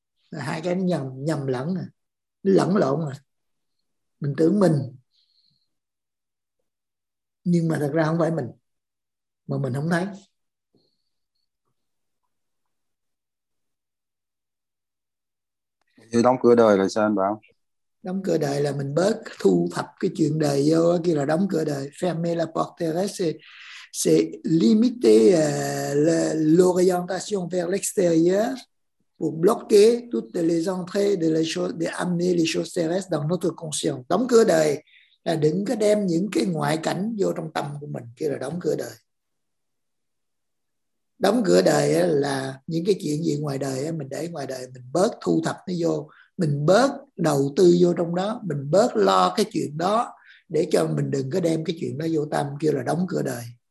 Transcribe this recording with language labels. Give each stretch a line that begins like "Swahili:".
Vietnamese: Là hai cái nó nhầm lẫn à. Lẫn lộn rồi. Mình tưởng mình, nhưng mà thật ra không phải mình, mà mình không thấy. Đóng cửa đời là sao anh bảo? Đóng cửa đời là mình bớt thu thập cái chuyện đời vô, kia là đóng cửa đời.
French: Fermer la porte terrestre, c'est limiter l'orientation vers l'extérieur pour bloquer toutes les entrées de la chose, de amener les choses terrestres dans notre conscience.
Vietnamese: Đóng cửa đời là đừng có đem những cái ngoại cảnh vô trong tâm của mình, kia là đóng cửa đời. Đóng cửa đời là những cái chuyện gì ngoài đời mình để ngoài đời, mình bớt thu thập nó vô, mình bớt đầu tư vô trong đó, mình bớt lo cái chuyện đó để cho mình đừng có đem cái chuyện đó vô tâm, kêu là đóng cửa đời.